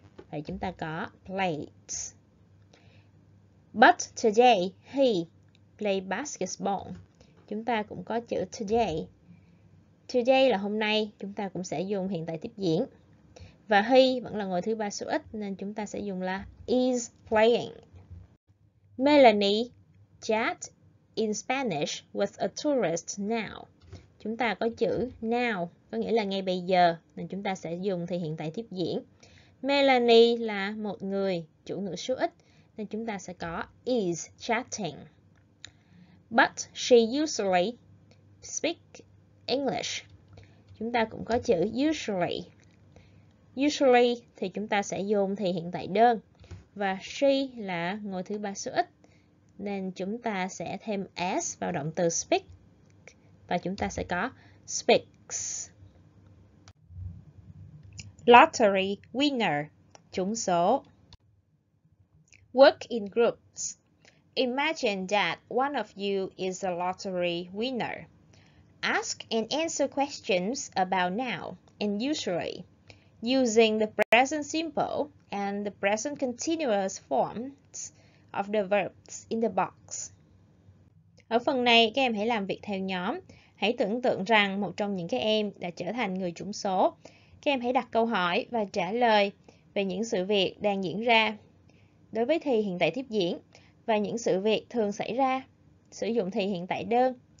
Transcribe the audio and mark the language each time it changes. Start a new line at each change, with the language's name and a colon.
Vietnamese: Vậy chúng ta có
English: plays. But today he plays basketball.
Vietnamese: Chúng ta cũng có chữ today. Today là hôm nay, chúng ta cũng sẽ dùng hiện tại tiếp diễn. Và he vẫn là người thứ ba số ít nên chúng ta sẽ dùng là is playing.
English: Melanie chat in Spanish with a tourist now.
Vietnamese: Chúng ta có chữ now có nghĩa là ngay bây giờ nên chúng ta sẽ dùng thì hiện tại tiếp diễn. Melanie là một người chủ ngữ số ít nên chúng ta sẽ có is chatting.
English: But she usually speaks English.
Vietnamese: Chúng ta cũng có chữ usually. Usually thì chúng ta sẽ dùng thì hiện tại đơn. Và she là ngôi thứ ba số ít. Nên chúng ta sẽ thêm s vào động từ speak. Và chúng ta sẽ có speaks.
English: Lottery winner.
Vietnamese: Trúng số.
English: Work in groups. Imagine that one of you is a lottery winner. Ask and answer questions about now and usually using the present simple and the present continuous forms of the verbs in the box.
Vietnamese: Ở phần này, các em hãy làm việc theo nhóm. Hãy tưởng tượng rằng một trong những các em đã trở thành người trúng số. Các em hãy đặt câu hỏi và trả lời về những sự việc đang diễn ra. Đối với thì hiện tại tiếp diễn và những sự việc thường xảy ra, sử dụng thì hiện tại đơn.